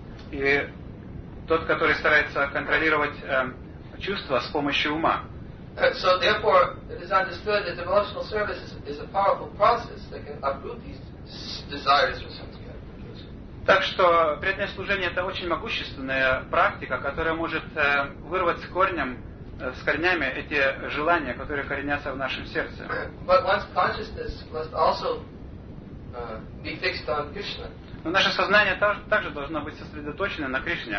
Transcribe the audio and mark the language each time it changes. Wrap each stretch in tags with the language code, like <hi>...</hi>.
<ru>И тот, который старается контролировать чувства с помощью ума.</ru> <en>So therefore, it is understood that devotional service is a powerful process that can uproot these desires for sense gratification.</en> <ru>Так что преданное служение — это очень могущественная практика, которая может вырвать с корнями эти желания, которые коренятся в нашем сердце.</ru> <en>But one's consciousness must also be fixed on Krishna.</en> <ru>Но наше сознание также должно быть сосредоточено на Кришне.</ru>